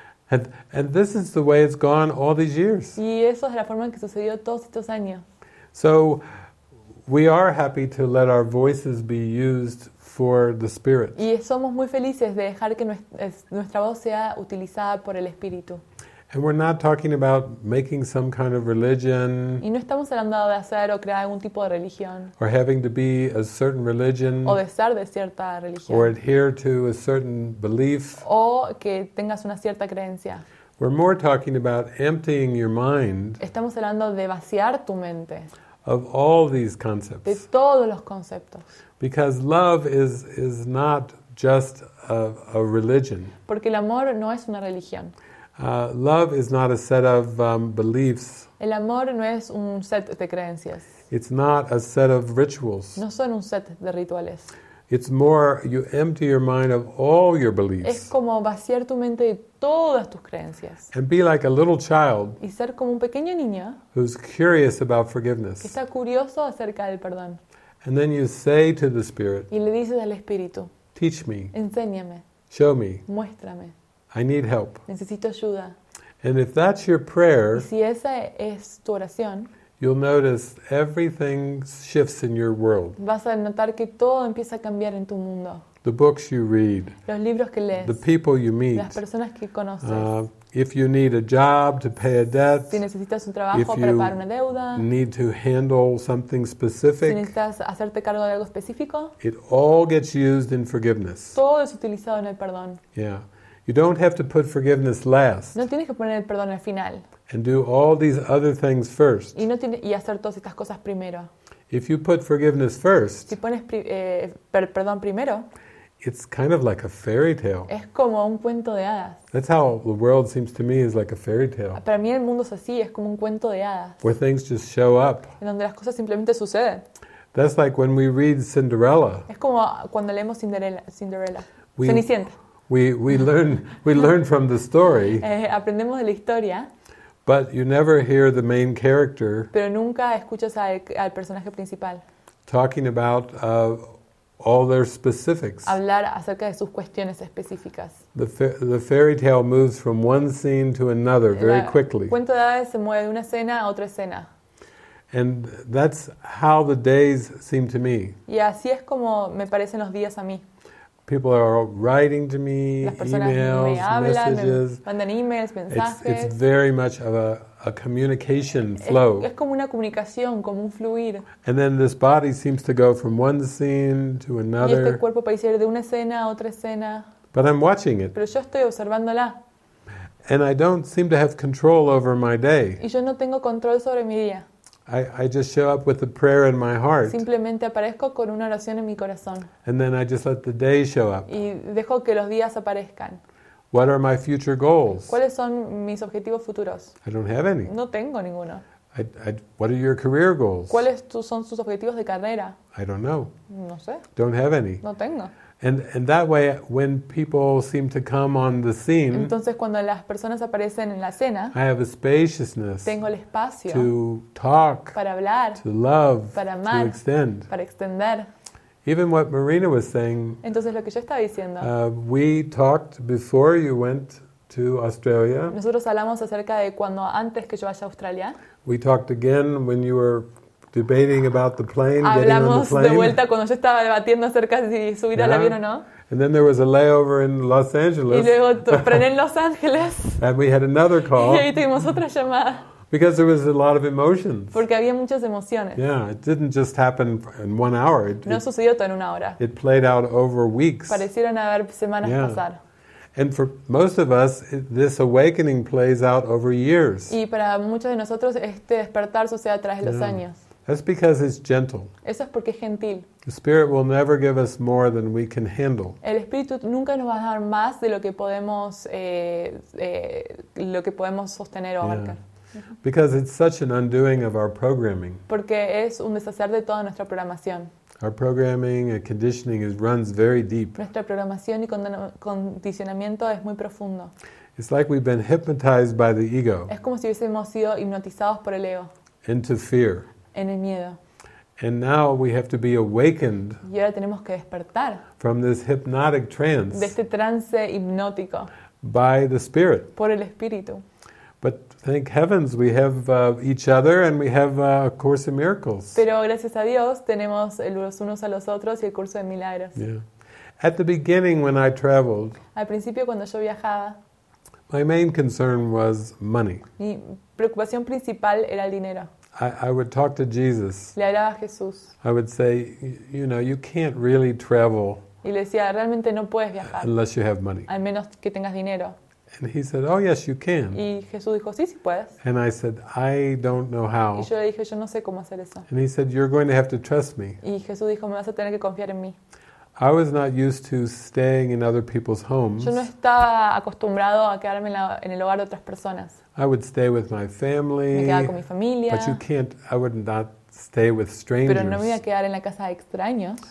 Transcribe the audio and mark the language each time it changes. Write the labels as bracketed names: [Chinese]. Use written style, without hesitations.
[English] And this is the way it's gone all these years. [Spanish] Y eso es la forma en que sucedió todos estos años. [English] So we are happy to let our voices be used for the Spirit. [Spanish] Y somos muy felices de dejar que nuestra voz sea utilizada por el Espíritu. [English] And we're not talking about making some kind of religion. [Spanish] Y no estamos hablando de hacer o crear algún tipo de religión. [English] Or having to be a certain religion. [Spanish] O de estar de cierta religión. [English] Or adhere to a certain belief. [Spanish] O que tengas una cierta creencia. [English] We're more talking about emptying your mind. [Spanish] Estamos hablando de vaciar tu mente. [English] Of all these concepts. [Spanish] De todos los conceptos. [English] Because love is not just a religion. [Spanish] Porque el amor no es una religión. [English] Love is not a set of beliefs. [Spanish] El amor no es un set de creencias. [English] It's not a set of rituals. [Spanish] No son un set de rituales. [English] It's more you empty your mind of all your beliefs. [Spanish] Es como vaciar tu mente de todas tus creencias. [English] And be like a little child. [Spanish] Y ser como un pequeño niño. [English] Who's curious about forgiveness. [Spanish] Que está curioso acerca del perdón. [English] And then you say to the Spirit. [Spanish] Y le dices al Espíritu. [English] Teach me. [Spanish] Enséñame. [English] Show me. [Spanish] Muéstrame. [English] I need help. [Spanish] Necesito ayuda. [English] And if that's your prayer, [Spanish] y si esa es tu oración, [English] you'll notice everything shifts in your world. [Spanish] Vas a notar que todo empieza a cambiar en tu mundo. [English] The books you read. [Spanish] Los libros que lees. [English] The people you meet. [Spanish] Las personas que conoces. [English] If you need a job to pay a debt. [Spanish] Si necesitas un trabajo para pagar una deuda. [English] If you need to handle something specific. [Spanish] Si necesitas hacerte cargo de algo específico. [English] It all gets used in forgiveness. [Spanish] Todo es utilizado en el perdón. [English] Yeah. You don't have to put forgiveness last. [Spanish] No tienes que poner el perdón al final. [English] And do all these other things first. [Spanish] Y no tienes y hacer todas estas cosas primero. [English] If you put forgiveness first. [Spanish] Si pones perdón primero. [English] It's kind of like a fairy tale. [Spanish] Es como un cuento de hadas. [English] That's how the world seems to me is like a fairy tale. [Spanish] Para mí el mundo es así, es como un cuento de hadas. [English] Where things just show up. [Spanish] En donde las cosas simplemente suceden. [English] That's like when we read Cinderella. [Spanish] Es como cuando leemos Cinderella. Cenicienta. [English] We learn from the story. [Spanish] Aprendemos de la historia. [English] But you never hear the main character. [Spanish] Pero nunca escuchas al personaje principal. [English] Talking about all their specifics. [Spanish] Hablar acerca de sus cuestiones específicas. [English] The fairy tale moves from one scene to another very quickly. [Spanish] El cuento de hadas se mueve de una escena a otra escena. [English] And that's how the days seem to me. [Spanish] Y así es como me parecen los días a mí. [English] People are writing to me, emails, [Spanish] me hablan, [English] messages. [Spanish] Mandan emails, mensajes. [English] It's very much of a communication flow. [Spanish] Es como una comunicación, como un fluir. [English] And then this body seems to go from one scene to another. [Spanish] Y este cuerpo parece ir de una escena a otra escena. [English] But I'm watching it. [Spanish] Pero yo estoy observándola. [English] And I don't seem to have control over my day. [Spanish] Y yo no tengo control sobre mi día. [English] I just show up with a prayer in my heart. [Spanish] Simplemente aparezco con una oración en mi corazón. [English] And then I just let the day show up. [Spanish] Y dejo que los días aparezcan. [English] What are my future goals? [Spanish] ¿Cuáles son mis objetivos futuros? [English] I don't have any. [Spanish] No tengo ninguno. [English] What are your career goals? [Spanish] ¿Cuáles son sus objetivos de carrera? [English] I don't know. [Spanish] No sé. [English] Don't have any. [Spanish] No tengo. [English] And that way, when people seem to come on the scene, [Spanish] entonces cuando las personas aparecen en la escena, [English] I have a spaciousness, [Spanish] tengo el espacio [English] to talk, [Spanish] para hablar, [English] to love, [Spanish] para amar, [English] to extend, [Spanish] para extender. [English] Even what Marina was saying, [Spanish] entonces lo que yo estaba diciendo, [English] we talked before you went to Australia. [Spanish] Nosotros hablamos acerca de cuando antes que yo vaya a Australia. [English] We talked again when you were debating about the plane, [Spanish] hablamos [English] getting on the plane. [Spanish] De vuelta cuando yo estaba debatiendo acerca de si subir al avión o no. [English] And then there was a layover in Los Angeles. [Spanish] Y luego frené en Los Ángeles. [English] And we had another call. [Spanish] Y ahí tuvimos otra llamada. [English] Because there was a lot of emotions. [Spanish] Porque había muchas emociones. [English] Yeah, it didn't just happen in 1 hour. [Spanish] No sucedió todo en una hora. [English] It played out over weeks. [Spanish] Parecieron haber semanas pasar. [English] And for most of us, this awakening plays out over years. [Spanish] Y para muchos de nosotros este despertar sucede a través de los años. [English] That's because it's gentle. [Spanish] Eso es porque es gentil. [English] The Spirit will never give us more than we can handle. [Spanish] El Espíritu nunca nos va a dar más de lo que podemos sostener o abarcar. [English] Because it's such an undoing of our programming. [Spanish] Porque es un deshacer de toda nuestra programación. [English] Our programming and conditioning runs very deep. [Spanish] Nuestra programación y condicionamiento es muy profundo. [English] It's like we've been hypnotized by the ego. [Spanish] Es como si hubiésemos sido hipnotizados por el ego. [English] Into fear. [Spanish] En el miedo. [English] And now we have to be awakened. [Spanish] Y ahora tenemos que despertar. [English] From this hypnotic trance. [Spanish] De este trance hipnótico. [English] By the Spirit. [Spanish] Por el Espíritu. [English] But thank heavens we have each other and we have a Course in Miracles. [Spanish] Pero gracias a Dios tenemos los unos a los otros y el curso de milagros. [English] Yeah. At the beginning when I traveled. [Spanish] Al principio cuando yo viajaba. [English] My main concern was money. [Spanish] Mi preocupación principal era el dinero. [English] I would talk to Jesus. [Spanish] Le hablaba a Jesús. [English] I would say, you know, you can't really travel. [Spanish] Y le decía, realmente no puedes viajar. [English] Unless you have money. [Spanish] Al menos que tengas dinero. [English] And he said, oh yes, you can. [Spanish] Y Jesús dijo, sí, sí puedes. [English] And I said, I don't know how. [Spanish] Y yo le dije, yo no sé cómo hacer eso. [English] And he said, you're going to have to trust me. [Spanish] Y Jesús dijo, me vas a tener que confiar en mí. [English] I was not used to staying in other people's homes. [Spanish] Yo no estaba acostumbrado a quedarme en el hogar de otras personas. [English] I would stay with my family. [Spanish] Me quedaba con mi familia. [English] But you can't. I would not stay with strangers. [Spanish] Pero no me iba a quedar en la casa de extraños.